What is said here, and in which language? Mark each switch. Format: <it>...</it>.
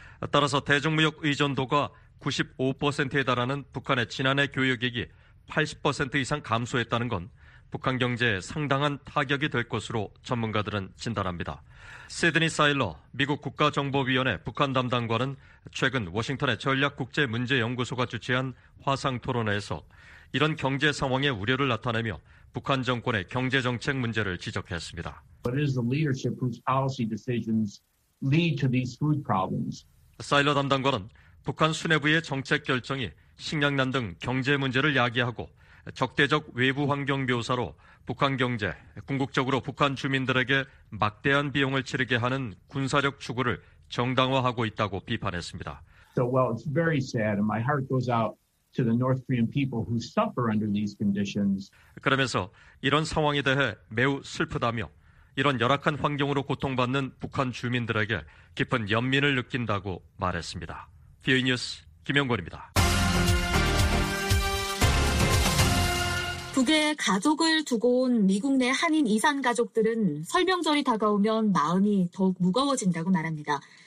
<ko>따라서 대중무역 의존도가 95%에 달하는 북한의 지난해 교역액이 80% 이상 감소했다는 건 북한 경제에 상당한 타격이 될 것으로 전문가들은 진단합니다. 시드니 사일러 미국 국가정보위원회 북한 담당관은 최근 워싱턴의 전략국제문제연구소가 주최한 화상토론회에서 이런 경제 상황에 우려를 나타내며 북한 정권의 경제정책 문제를 지적했습니다.</ko> <en>What is the leadership whose policy decisions lead to these food problems?</en> <ko>사일러 담당관은 북한 수뇌부의 정책 결정이 식량난 등 경제 문제를 야기하고 적대적 외부 환경 묘사로 북한 경제, 궁극적으로 북한 주민들에게 막대한 비용을 치르게 하는 군사력 추구를 정당화하고 있다고 비판했습니다.</ko> <en>So, well, it's very sad and my heart goes out to the North Korean people who suffer under these conditions.</en> <ko>그러면서 이런 상황에 대해 매우 슬프다며 이런 열악한 환경으로 고통받는 북한 주민들에게 깊은 연민을 느낀다고 말했습니다. 비오이 뉴스 김영권입니다. 북에 가족을 두고 온 미국 내 한인 이산 가족들은 설 명절이 다가오면 마음이 더욱 무거워진다고 말합니다.</ko>